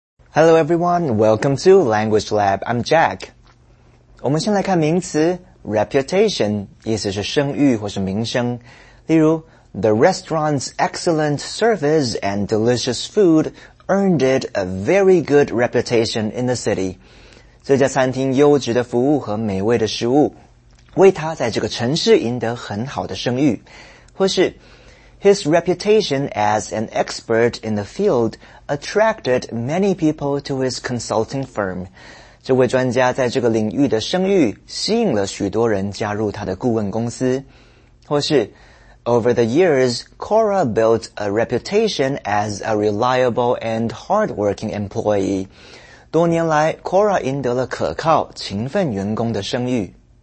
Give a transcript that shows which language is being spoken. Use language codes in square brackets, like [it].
[en] Hello everyone, welcome to Language Lab. I'm Jack. [zh] 我们先来看名词 reputation, 意思是声誉或是名声。 [en] 例如The restaurant's excellent service and delicious food earned it a very good reputation in the city. [zh] 这家餐厅优质的服务和美味的食物为他在这个城市赢得很好的声誉。 [en] 或是 His reputation as an expert in the field attracted many people to his consulting firm. [zh] 这位专家在这个领域的声誉吸引了许多人加入他的顾问公司。 [en] 或是Over the years, Cora built a reputation as a reliable and hardworking employee. [zh] 多年来 ,Cora 赢得了可靠、勤奋员工的声誉。